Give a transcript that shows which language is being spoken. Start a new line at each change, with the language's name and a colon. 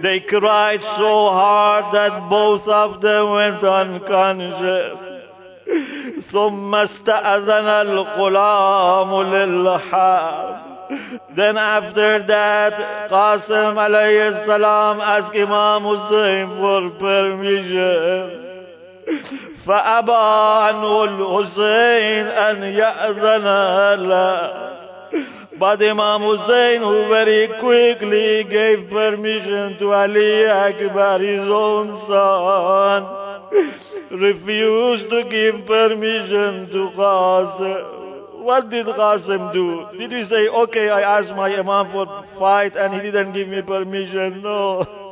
English: They cried so hard that both of them went unconscious.
Arabic: ثم استأذن القلام للحاب.
English: Then after that, Qasim alayhi salam asked Imam Hussein for permission.
Arabic: فأبى عنه الحسين أن يأذن له.
English: But Imam Hussein, who very quickly gave permission to Ali Akbar, his own son, refused to give permission to Qasim. What did Qasim do? Did he say, okay, I asked my Imam for fight and he didn't give me permission? No.